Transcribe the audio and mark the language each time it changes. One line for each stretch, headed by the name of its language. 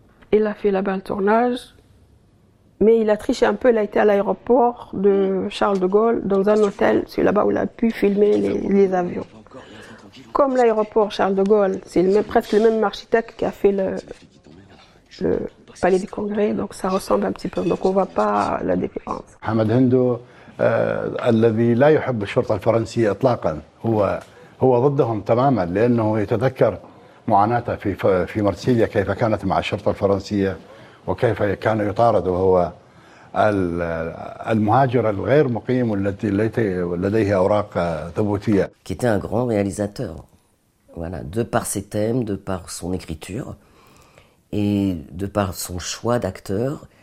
French: Il a fait là-bas le tournage, mais il a triché un peu, il a été à l'aéroport de Charles de Gaulle, dans un hôtel, c'est là-bas où il a pu filmer les avions. comme l'aéroport Charles de Gaulle, c'est presque le même architecte qui a fait le palais des congrès, donc ça ressemble un petit peu, donc on ne voit pas la différence.
Arabic: Hamad Hindo, الذي لا يحب الشرطة الفرنسية إطلاقا هو ضدهم تماما لأنه يتذكر معاناته في مرسيليا كيف كانت مع الشرطة الفرنسية وكيف كان يطارد وهو المهاجر الغير مقيم والتي لديه أوراق ثبوتية.
French: Qui était un grand réalisateur, voilà, de par ses thèmes, de par son écriture et de par son choix d'acteur.